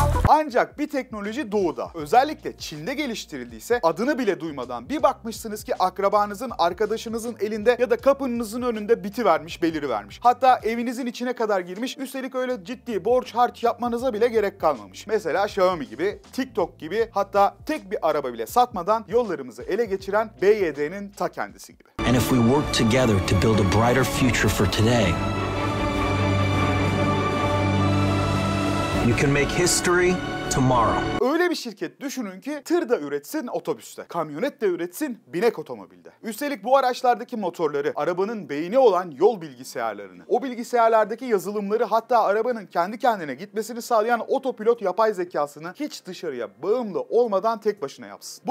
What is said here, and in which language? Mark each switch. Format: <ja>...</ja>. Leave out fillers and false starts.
<tr>Ancak bir teknoloji doğuda, özellikle Çin'de geliştirildiyse adını bile duymadan bir bakmışsınız ki akrabanızın, arkadaşınızın elinde ya da kapınızın önünde bitivermiş, belirivermiş. Hatta evinizin içine kadar girmiş, üstelik öyle ciddi borç harç yapmanıza bile gerek kalmamış. Mesela Xiaomi gibi, TikTok gibi, hatta tek bir araba bile satmadan yollarımızı ele geçiren BYD'nin ta kendisi gibi.</tr> <en>And if we work together to build a brighter future for today, you can make history tomorrow.</en> <tr>Öyle bir şirket düşünün ki tır da üretsin otobüste, kamyonet de üretsin binek otomobilde. Üstelik bu araçlardaki motorları, arabanın beyni olan yol bilgisayarlarını, o bilgisayarlardaki yazılımları, hatta arabanın kendi kendine gitmesini sağlayan otopilot yapay zekasını hiç dışarıya bağımlı olmadan tek başına yapsın.</tr>